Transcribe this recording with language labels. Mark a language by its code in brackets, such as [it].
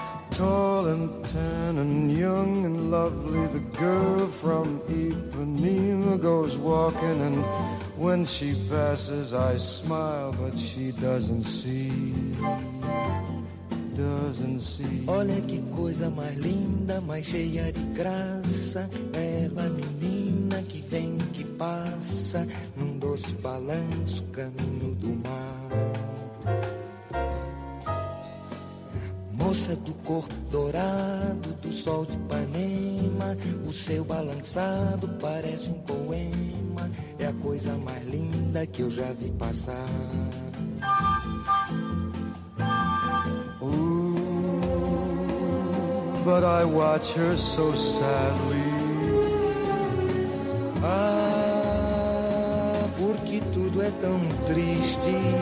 [en] Tall and tan and young and lovely, the girl from Ipanema goes walking, and when she passes I smile, but she doesn't see, doesn't see. [pt] Olha que coisa mais linda, mais cheia de graça, bela menina que vem, que passa, num doce balanço, caminho do mar. Moça do corpo dourado, do sol de Ipanema, o seu balançado parece um poema, é a coisa mais linda que eu já vi passar. [en] Ooh, but I watch her so sadly. [pt] Ah, porque tudo é tão triste.